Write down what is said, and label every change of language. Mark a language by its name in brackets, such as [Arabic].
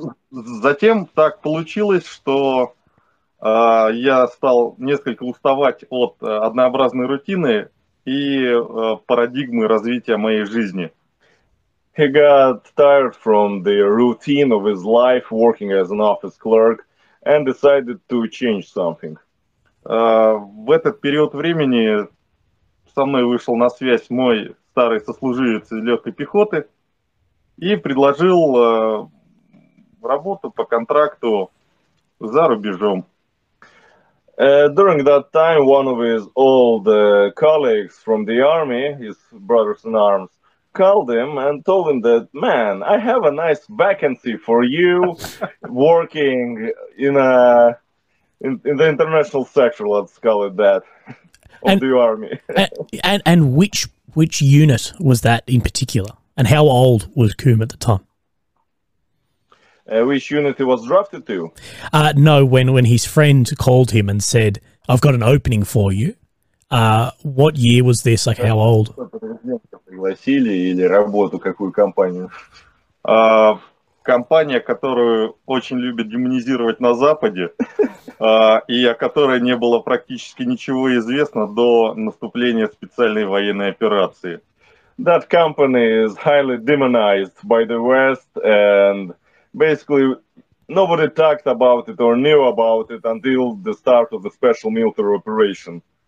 [Russian] Затем так получилось, что я стал несколько уставать от однообразной рутины и парадигмы развития моей жизни. [English] He got tired from the routine of his life working as an office clerk and decided to change something. [Russian] В этот период времени со мной вышел на связь мой старый сослуживец из легкой пехоты и предложил работу по контракту за рубежом. [English] During that time, one of his old colleagues from the army, his brothers in arms, called him and told him that, man, I have a nice vacancy for you working in the international sector, let's call it that, of the army. and which unit was that in particular? And how old was Kum at the time? Which unit he was drafted to? No, when his friend called him and said, I've got an opening for you. What year was this? Like, how old? [Russian] Пригласили или работу, какую компанию? Компания, которую очень любят демонизировать на Западе, и о которой не было практически ничего известно до наступления специальной военной операции. [English] That company is highly demonized by the West and basically, nobody talked about it or knew about it until the start of the special military operation.